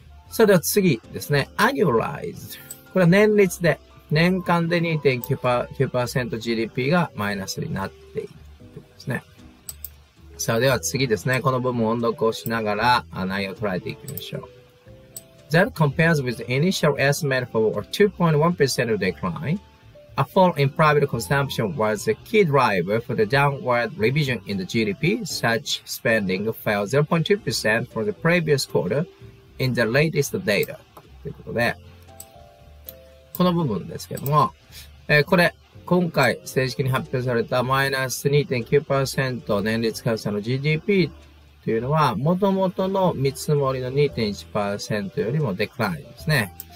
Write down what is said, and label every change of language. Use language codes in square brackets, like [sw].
[ja] それでは次ですね。annualized。 これは年率で。年間で 2.9% GDP がマイナスになっているということですね。さあでは次ですね。この部分を音読をしながら内容を捉えていきましょう。 [en] That compares with the initial estimate for a 2.1% decline. A fall in private consumption was the key driver for the downward revision in the GDP. Such spending fell 0.2% from the previous quarter in the latest data. [ja] ということで。この部分ですけども、これ、今回正式に発表されたマイナス 2.9% 年率換算の GDP というのは、元々の見積もりの 2.1% よりもデクラインですね。